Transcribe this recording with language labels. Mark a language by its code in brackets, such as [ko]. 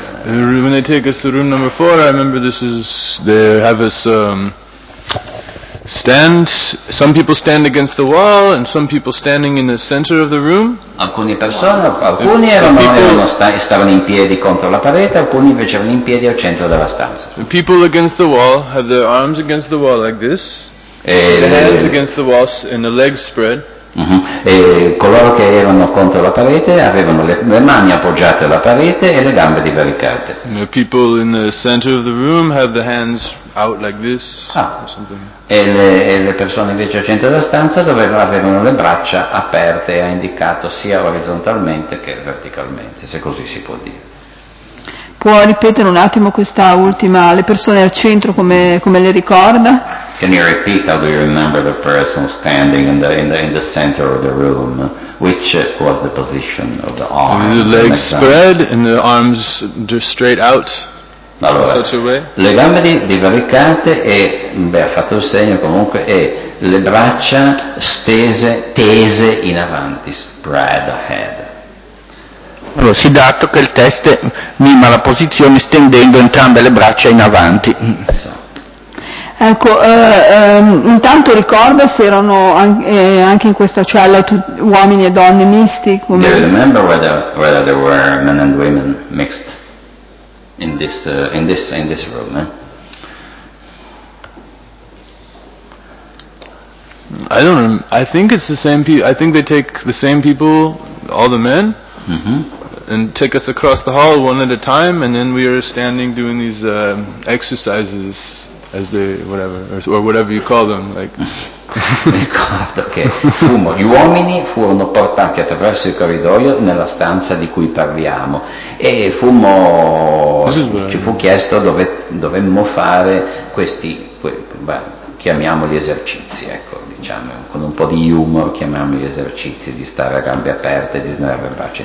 [en] When they take us to room number 4, I remember this is, they have us stand, some people stand against the wall and some people standing in the center of the room. [it] Alcuni persone, alcuni erano, stavano in piedi contro la parete, alcuni invece erano in piedi al centro della stanza. [en] The people against the wall have their arms against the wall like this, the hands against the wall and the legs spread. [it] Uh-huh. E coloro che erano contro la parete avevano le mani appoggiate alla parete e le gambe divaricate. [en] The people in the center of the room have the hands out like this. [it] E le persone invece al centro della stanza avevano le braccia aperte, ha indicato sia orizzontalmente che verticalmente, se così si può dire. Può ripetere un attimo questa ultima, le persone al centro come le ricorda? [en] Can you repeat how do you remember the person standing in the center of the room? Which was the position of the arms? The legs spread and the arms just straight out. [it] Allora, [en] in such a way? [it] Le gambe divaricate e, beh, ha fatto il segno comunque, e le braccia stese, tese in avanti, [en] spread ahead. [it] Allora, si dà atto che il test mima la posizione stendendo entrambe le braccia in avanti. Ecco, intanto ricorda se erano anche in questa cella uomini e donne misti? Come... [en] Do you remember whether there were men and women mixed in this room? Eh? I don't know. I think it's the same people. I think they take the same people, all the men, and take us across the hall one at a time, and then we are standing doing these exercises as they, whatever, or whatever you call them, like. [it] Ricordo che fumo, gli uomini furono portati attraverso il corridoio nella stanza di cui parliamo e fumo, ci fu chiesto dove dovemmo fare questi, chiamiamoli esercizi, ecco, diciamo, con un po' di humor chiamiamoli esercizi, di stare a gambe aperte, di snervare il braccio.